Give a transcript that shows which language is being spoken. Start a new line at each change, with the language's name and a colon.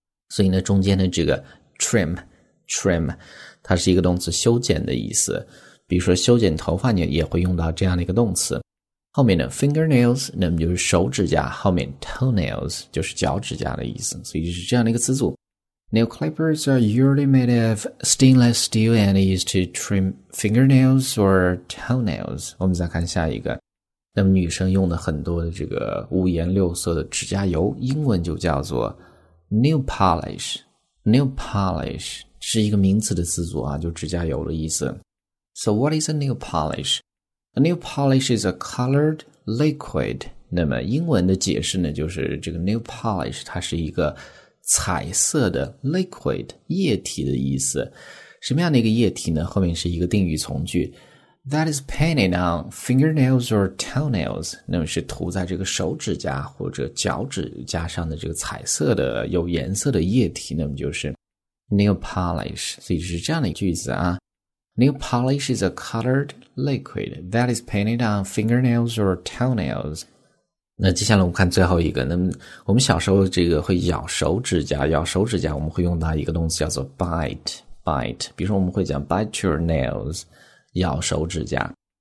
Chinese: 所以呢，中间的这个 trim， 它是一个动词，修剪的意思。比如说修剪头发，你也会用到这样的一个动词。后面的 fingernails， 那么就是手指甲，后面 toenails 就是脚指甲的意思。所以就是这样的一个词组。
English: Nail clippers are usually made of stainless steel and used to trim fingernails or toenails。
Chinese: 我们再看下一个。那么女生用的很多的这个五颜六色的指甲油，英文就叫做 nail polish。 Nail polish 是一个名词的词组啊，就指甲油的意思。
English: So what is a nail polish? A nail polish is a colored liquid.
Chinese: 那么英文的解释呢，就是这个 nail polish 它是一个彩色的 liquid 液体的意思。什么样的一个液体呢？后面是一个定语从句
English: ，That is painted on fingernails or toenails.
Chinese: 那么是涂在这个手指甲或者脚趾甲上的这个彩色的有颜色的液体，那么就是 nail polish。所以是这样的一句子啊。
English: Nail polish is a colored liquid that is painted on fingernails or toenails.
Chinese: 那接下来我们看最后一个，那么我们小时候这个会咬手指甲，咬手指甲我们会用到一个动词叫做 bite。比如说我们会讲
English: bite your nails，
Chinese: 咬手指甲。